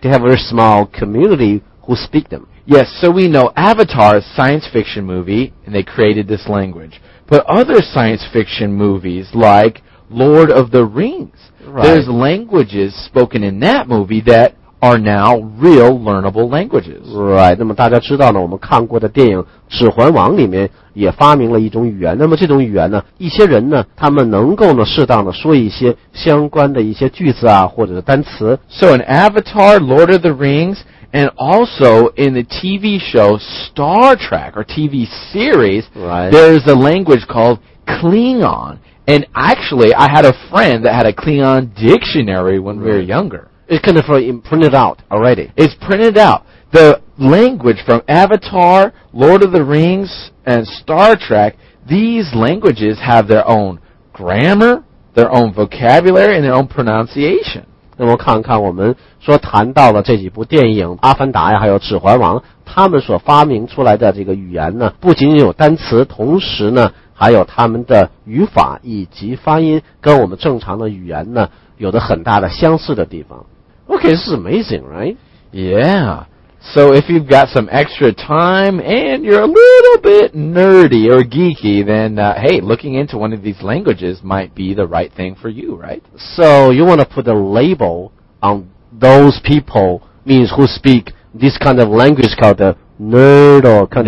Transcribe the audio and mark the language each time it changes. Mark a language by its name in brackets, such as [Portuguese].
[English] They have a very small community who speak them. Yes, so we know Avatar is a science fiction movie, and they created this language. But other science fiction movies, like... Lord of the Rings. Right. There's languages spoken in that movie that are now real learnable languages. [Chinese] Right. 那么大家知道呢，我们看过的电影《指环王》里面也发明了一种语言。那么这种语言呢，一些人呢，他们能够呢适当的说一些相关的一些句子啊，或者是单词。 [English] So in Avatar, Lord of the Rings, and also in the TV show Star Trek or TV series, right. there's a language called Klingon. And actually, I had a friend that had a Klingon dictionary when we were younger. It's kind of printed out already. It's printed out. The language from Avatar, Lord of the Rings, and Star Trek, these languages have their own grammar, their own vocabulary, and their own pronunciation. [Chinese] 那么看看我们说谈到了这几部电影《阿凡达》呀，还有《指环王》，他们所发明出来的这个语言呢，不仅仅有单词，同时呢，还有他们的语法以及发音，跟我们正常的语言呢，有着很大的相似的地方。 [English] Okay, this is amazing, right? Yeah. So if you've got some extra time and you're a little bit nerdy or geeky, then, hey, looking into one of these languages might be the right thing for you, right? So you want to put a label on those people, means who speak this kind of language called the nerd or kind